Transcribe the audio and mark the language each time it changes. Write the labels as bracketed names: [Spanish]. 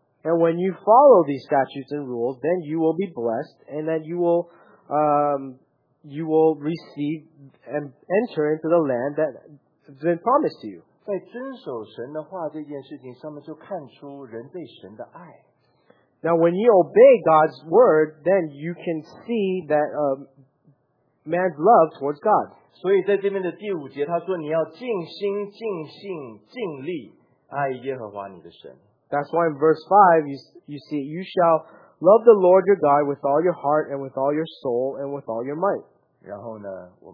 [English] And when you follow these statutes and rules, then you will be blessed, and then you will receive and enter into the land that has been promised to you. [Chinese] 在遵守神的话这件事情上面，就看出人对神的爱。 [English] Now, when you obey God's word, then you can see that man's love towards God. [Chinese] 所以在这边的第五节，他说你要尽心、尽性、尽力爱耶和华你的神。 [English] That's why in verse 5, you see, you shall love the Lord your God with all your heart and with all your soul and with all your might.